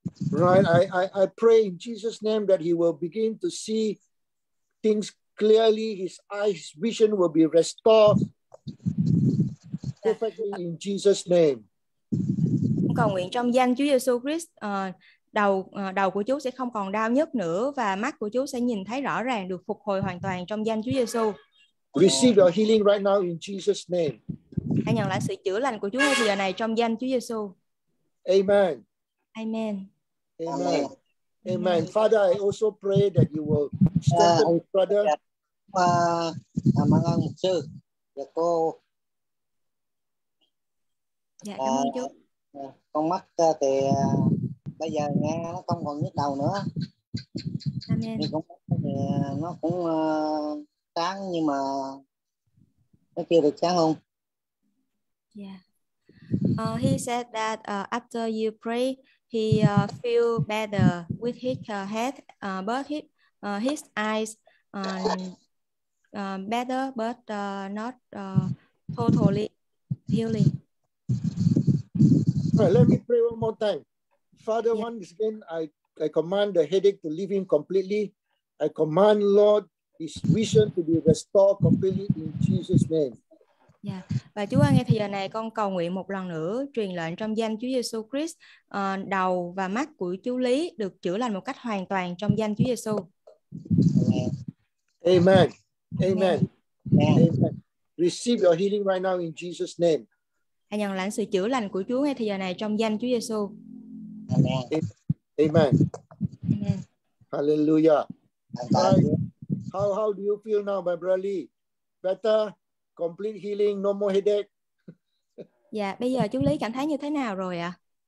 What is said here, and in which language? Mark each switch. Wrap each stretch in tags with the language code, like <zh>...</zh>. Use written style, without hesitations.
<en>Right, I pray in Jesus name that he will begin to see things clearly, his eyes, vision will be restored perfectly in Jesus' name.</en> <vi>Cầu nguyện trong danh Chúa Giêsu Christ, đầu của chú sẽ không còn đau nhức nữa và mắt của chú sẽ nhìn thấy rõ ràng, được phục hồi hoàn toàn trong danh Chúa Giêsu.</vi> <en>Receive your healing right now in Jesus' name.</en> <vi>Hãy nhận lại sự chữa lành của Chúa giờ này trong danh Chúa Giêsu.</vi> <en>Amen. Amen. Amen. Amen. Amen. Father, I also pray that you will strengthen my brother.</en> <vi>Cảm ơn ông sư và cô. Dạ, cảm ơn chú. Con mắt thì bây giờ nghe nó không còn nhức đầu nữa. Amen. Thì nó cũng sáng nhưng mà nó chưa được sáng không?</vi> <en>Yeah. He said that after you pray, he feel better with his head, but his eyes better, but not totally healing. Right, let me pray one more time. Father, yeah. Once again, I command the headache to leave him completely. I command, Lord, his vision to be restored completely in Jesus' name. Yeah.</en> <vi>Và Chúa ơi, ngay thời giờ này con cầu nguyện một lần nữa, truyền lệnh trong danh Chúa Giêsu Christ, đầu và mắt của chú Lý được chữa lành một cách hoàn toàn trong danh Chúa Giêsu.</vi> <en>Amen. Amen. Amen. Amen. Receive your healing right now in Jesus' name.</en> <vi>Hãy nhận lãnh sự chữa lành của Chúa ngay thời giờ này trong danh Chúa Giêsu.</vi> <en>Amen. Amen. Hallelujah. How do you feel now, my brother Lee? Better? Complete healing, no more headache.</en> <vi>Dạ, bây giờ chú Lý cảm thấy như thế nào rồi ạ?</vi>